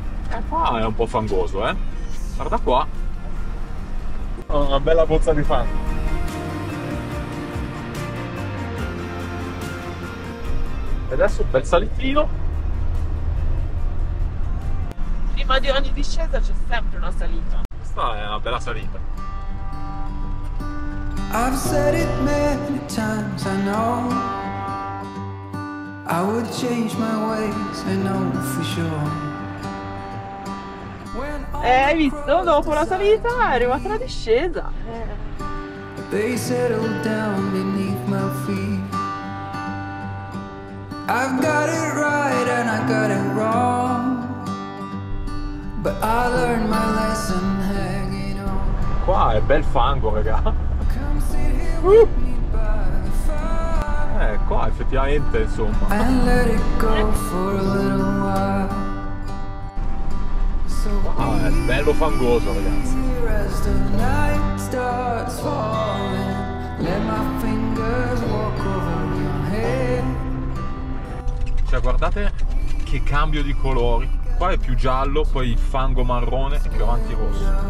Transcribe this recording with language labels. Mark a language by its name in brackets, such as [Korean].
[Italian] E qua è un po' fangoso, eh? Guarda qua. Una bella bozza di fango. E adesso un bel salitino. Prima di ogni discesa c'è sempre una salita. Questa è una bella salita. [English] I've said it many times, I know. I would change my ways, I know for sure. [Italian] Hai visto? Dopo la salita è arrivata la discesa. [English] They settled down beneath my feet. I've got it right and I got it wrong. But I learned my lesson hanging on. [Italian] Qua è bel fango, raga. Qua effettivamente, insomma. [English] And let it go for a little while. [Italian] Ah, è bello fangoso, ragazzi. Cioè, guardate che cambio di colori. Qua è più giallo, poi il fango marrone e più avanti rosso.